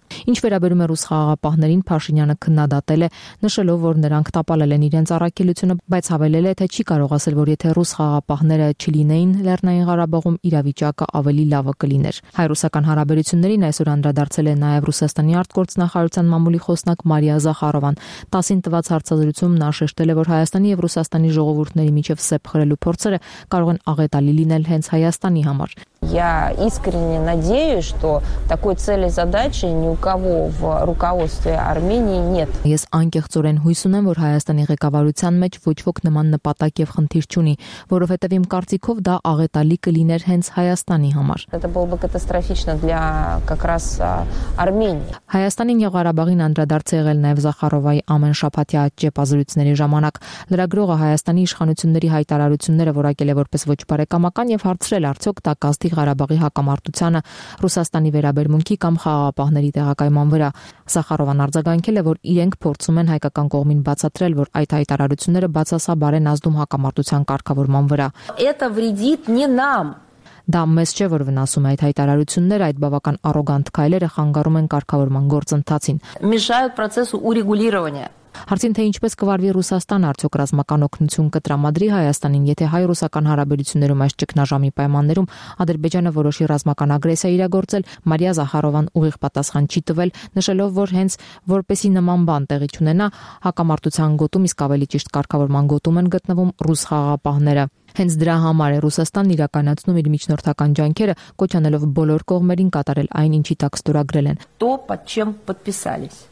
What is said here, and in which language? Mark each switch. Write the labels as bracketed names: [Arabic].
[Armenian] Ինչ վերաբերում է ռուս խաղաղապահներին, Փաշինյանը քննադատել է, նշելով, որ նրանք տապալել են իրենց առաքելությունը, բայց հավելել է, թե չի կարող ասել, որ եթե ռուս խաղաղապահները չլինեին Լեռնային Ղարաբաղում, իրավիճակը ավելի լավը կլիներ։ Հայ-ռուսական հարաբերություններին այսօր անդրադարձել է նաև Ռուսաստանի արտգործնախարարության մամուլի խոսնակ Մարիա Զախարովան։ Տասին տված հարցազրույցում նա շեշտել է, որ Հայաստանի և Ռուսաստանի ժողովուրդների միջև սեպ խրելու փորձերը կարող են աղետալի լինել հենց Հայաստանի համար։ [Russian] Я искренне надеюсь, что такой цели задачи ни у кого в руководстве Армении нет. [Armenian] Ես անկեղծորեն հույս ունեմ, որ Հայաստանի ղեկավարության մեջ ոչ ոք նման նպատակ եւ խնդիր չունի, որովհետեւ իմ կարծիքով դա աղետալի կլիներ հենց Հայաստանի համար. [Russian] Это было бы катастрофично для как раз Армении. [Armenian] Հայաստանին եւ Ղարաբաղին անդրադարձ եղել նաեւ Զախարովայի ամեն շաբաթյա աջեպազրույցների ժամանակ լրագրողը Հայաստանի իշխանությունների հայտարարությունները որակել է որպես ոչ բարեկամական եւ հարցրել արդյոք դա Ստի Ղարաբաղի հակամարտությանը Ռուսաստանի վերաբերմունքի կամ խաղաղապահների տեղակայման վրա։ Զախարովան արձագանքել է, որ իրենք փորձում են հայկական կողմին բացատրել, որ այդ հայտարարությունները բացասաբար են ազդում հակամարտության կարգավորման վրա։ [Russian] Это вредит не нам. [Armenian] Դա մեզ չէ, որ վնասում է այդ հայտարարությունները, այդ բավական առոգանտ քայլերը խանգարում են կարգավորման գործընթացին։ [Russian] Мешают процессу урегулирования. [Armenian] Հարցին, թե ինչպես կվարվի Ռուսաստան, արդյոք ռազմական օգնություն կտրամադրի Հայաստանին, եթե հայ-ռուսական հարաբերություններում այս ճգնաժամի պայմաններում Ադրբեջանը որոշի ռազմական ագրեսիա իրագործել, Մարիա Զախարովան ուղիղ պատասխան չի տվել, նշելով, որ հենց որպեսի նման բան տեղի ունենա, հակամարտության գոտում, իսկ ավելի ճիշտ կարգավորման գոտում են գտնվում ռուս խաղաղապահները։ Հենց դրա համար է Ռուսաստանն իրականացնում իր միջնորդական ջանքերը, կոչանելով բոլոր կողմերին կատարել այն, ինչի տակ ստորագրել են։